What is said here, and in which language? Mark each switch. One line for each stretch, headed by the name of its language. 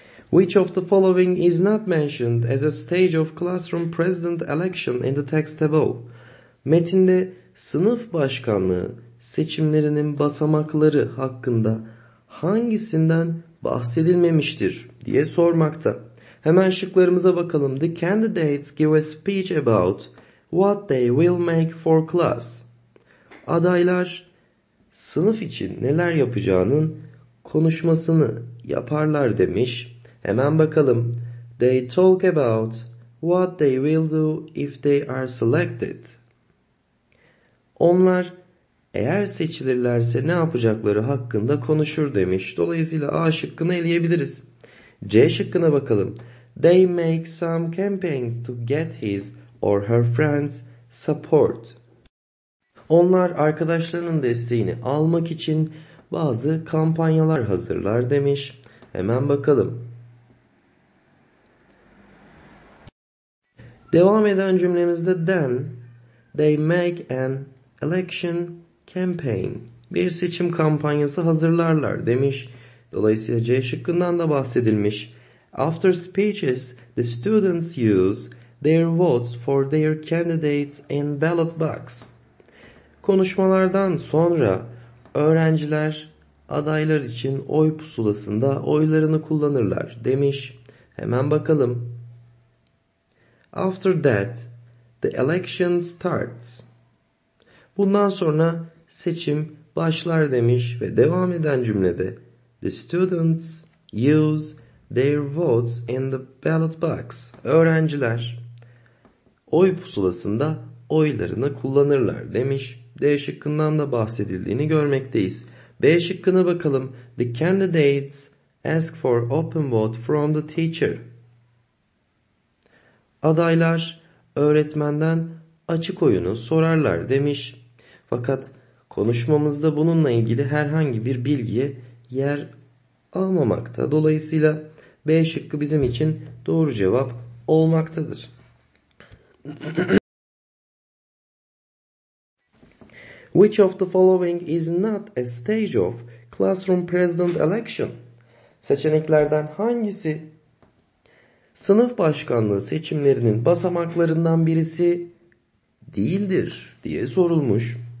English: Which of the following is not mentioned as a stage of classroom president election in the text above?
Turkish: Metinde sınıf başkanlığı seçimlerinin basamakları hakkında hangisinden bahsedilmemiştir diye sormakta. Hemen şıklarımıza bakalım.
English: The candidates give a speech about what they will make for class.
Turkish: Adaylar sınıf için neler yapacağının konuşmasını yaparlar demiş. Hemen bakalım.
English: They talk about what they will do if they are selected.
Turkish: Onlar eğer seçilirlerse ne yapacakları hakkında konuşur demiş. Dolayısıyla A şıkkını eleyebiliriz. C şıkkına bakalım.
English: They make some campaigns to get his or her friends' support.
Turkish: Onlar arkadaşlarının desteğini almak için bazı kampanyalar hazırlar demiş. Hemen bakalım. Devam eden cümlemizde
English: then they make an election campaign.
Turkish: Bir seçim kampanyası hazırlarlar demiş. Dolayısıyla C şıkkından da bahsedilmiş.
English: After speeches, the students use their votes for their candidates in ballot box.
Turkish: Konuşmalardan sonra öğrenciler adaylar için oy pusulasında oylarını kullanırlar demiş. Hemen bakalım.
English: After that, the election starts.
Turkish: Bundan sonra seçim başlar demiş ve devam eden cümlede
English: the students use their votes in the ballot box.
Turkish: Öğrenciler oy pusulasında oylarını kullanırlar demiş. D şıkkından da bahsedildiğini görmekteyiz. B şıkkına bakalım.
English: The candidates ask for open vote from the teacher.
Turkish: Adaylar öğretmenden açık oyunu sorarlar demiş. Fakat konuşmamızda bununla ilgili herhangi bir bilgiye yer almamakta. Dolayısıyla B şıkkı bizim için doğru cevap olmaktadır.
English: Which of the following is not a stage of classroom president election?
Turkish: Seçeneklerden hangisi sınıf başkanlığı seçimlerinin basamaklarından birisi değildir diye sorulmuş.